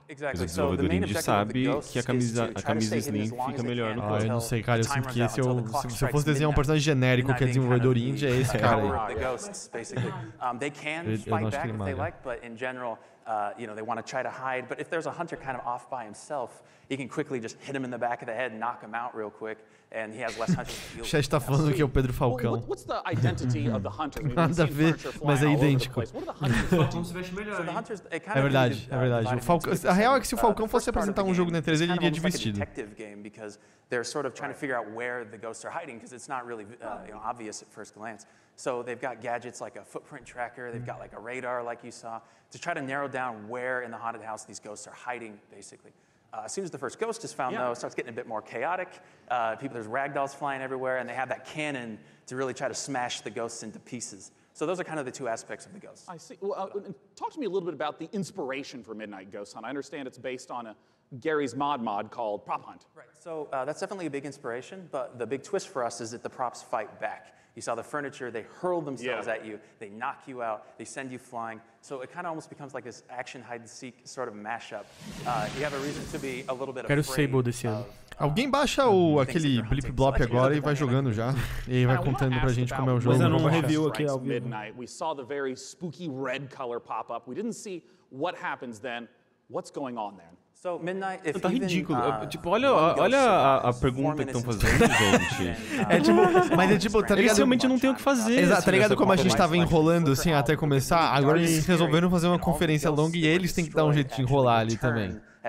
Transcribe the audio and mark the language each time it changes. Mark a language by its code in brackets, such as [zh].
[pt] Mas o desenvolvedor indie sabe que a camisa Slim fica melhor no corpo. Eu não sei, cara. Eu sinto que se eu fosse desenhar um personagem genérico que é desenvolvedor indie, é esse cara aí. [en] You know, they want to try to hide, but if there's a hunter kind of off by himself, he can quickly just hit him in the back of the head and knock him out real quick, and he has less hunters. [pt] Chat está falando que é o Pedro Falcão. [en] What's the identity of the hunter? [pt] Nada a ver, mas é idêntico. É verdade, é verdade. A real é que se o Falcão fosse apresentar um jogo na E3, ele iria de vestido. [en] They're sort of trying to figure out where the ghosts are hiding because it's not really obvious at first glance. So they've got gadgets like a footprint tracker, they've got like a radar like you saw to try to narrow down where in the haunted house these ghosts are hiding basically. As soon as the first ghost is found though, it starts getting a bit more chaotic. People, there's ragdolls flying everywhere and they have that cannon to really try to smash the ghosts into pieces. So those are kind of the two aspects of the ghosts. I see. Well, talk to me a little bit about the inspiration for Midnight Ghost Hunt. I understand it's based on a Gary's mod called Prop Hunt. Right. So that's definitely a big inspiration, but the big twist for us is that the props fight back. You saw the furniture, they hurl themselves at you, they knock you out, they send you flying. So it kind of almost becomes like this action hide and seek sort of mashup. You have a reason to be a little bit afraid. [pt] Alguém baixa aquele blip blop agora e vai jogando já. E vai contando pra gente como é o jogo. Mas não review aqui ao vivo. Midnight. [en] We saw the very spooky red color pop up. We didn't see what happens then. What's going on then? So, Midnight, if [pt] tá [en] even, [pt] ridículo. Tipo, olha a pergunta que estão fazendo, gente. É tipo, mas é tipo, tá ligado? Eles realmente não tem o que fazer. Exato, assim, tá ligado como a gente tava enrolando, assim, até começar? Agora eles resolveram fazer uma conferência longa e eles têm que dar um jeito de enrolar ali também.